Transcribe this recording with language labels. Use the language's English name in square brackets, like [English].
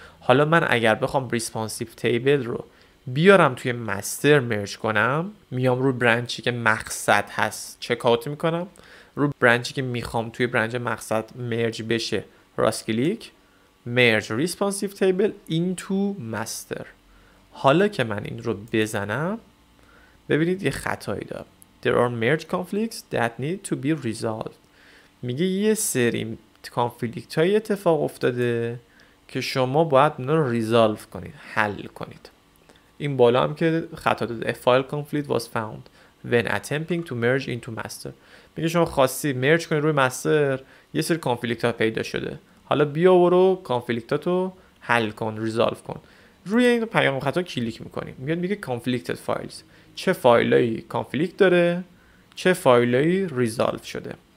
[Persian] حالا من اگر بخوام ریسپانسیو تیبل رو بیارم توی مستر مرج کنم، میام رو برانچی که مقصد هست چک آوت می‌کنم، رو برانچی که میخوام توی برانچ مقصد مرج بشه راست کلیک، مرج ریسپانسیو تیبل اینتو مستر. حالا که من این رو بزنم ببینید یه خطایی دار. [English] There are merge conflicts that need to be resolved. [Persian] میگه یه سری کانفلیکت های اتفاق افتاده که شما باید اونا رو ریزالف کنید، حل کنید. این بالا هم که خطا داده. [English] A file conflict was found when attempting to merge into master. [Persian] میگه شما خواستی merge کنید روی master، یه سری کانفلیکت ها پیدا شده. حالا بیا برو کانفلیکت ها تو حل کن، ریزالف کن. روی این پیام خطا کلیک میکنیم. میاد میگه [English] conflicted files. [Persian] چه فایلایی کانفلیکت داره، چه فایلایی ریزالف شده.